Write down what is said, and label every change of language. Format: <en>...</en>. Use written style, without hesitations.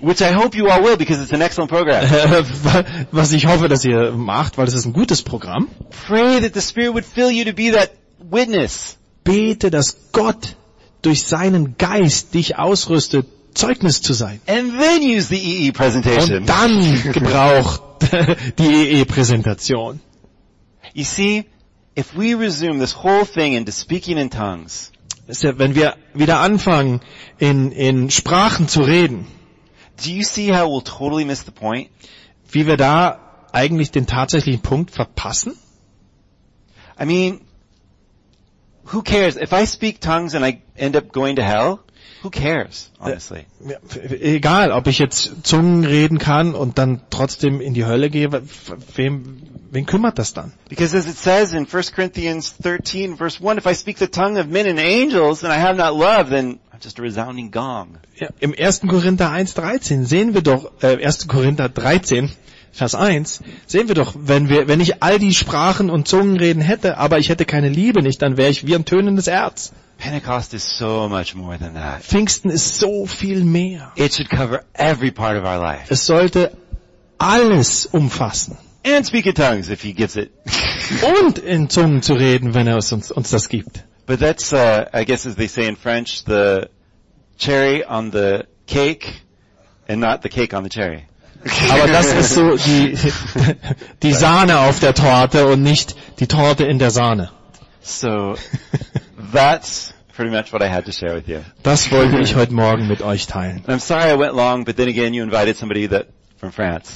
<en>Which I hope you all will, because it's an excellent program.</en> <de>Was ich hoffe, dass ihr macht, weil es ist ein gutes Programm.</de> <en>Pray that the Spirit would fill you to be that witness.</en> <de>Bete, dass Gott durch seinen Geist dich ausrüstet, Zeugnis zu sein.</de> <en>And then use the EE presentation.</en> <de>Und dann gebraucht die EE-Präsentation.</de> <en>You see, if we resume this whole thing into speaking in tongues,</en> <de>wenn wir wieder anfangen, in Sprachen zu reden,</de> <en>do you see how we'll totally miss the point?</en> <de>Wie wir da eigentlich den tatsächlichen Punkt verpassen?</de> <en>I mean, who cares? If I speak tongues and I end up going to hell, who cares, honestly?</en> <de>Egal, ob ich jetzt Zungen reden kann und dann trotzdem in die Hölle gehe, wen kümmert das dann?</de> <en>Because as it says in 1 Corinthians 13, verse 1, if I speak the tongue of men and angels and I have not love, then I'm just a resounding gong.</en> <de>Ja, im 1. Korinther 1,13 sehen wir doch, 1. Korinther 13, Vers 1, sehen wir doch, wenn ich all die Sprachen und Zungenreden hätte, aber ich hätte keine Liebe nicht, dann wäre ich wie ein tönendes Erz.</de> <en>Pentecost is so much more than that.</en> <de>Pfingsten ist so viel mehr.</de> <en>It should cover every part of our life.</en> <de>Es sollte alles umfassen.</de> <en>And speak in tongues if he gives it.</en> <de>Und in Zungen zu reden, wenn er uns das gibt.</de> <en>But that's, I guess as they say in French, the cherry on the cake and not the cake on the cherry.</en> <de>Aber das ist so die Sahne auf der Torte und nicht die Torte in der Sahne.</de> <en>So, that's pretty much what I had to share with you.</en> <de>Das wollte ich heute Morgen mit euch teilen.</de> <en>I'm sorry I went long, but then again you invited somebody that from France.</en>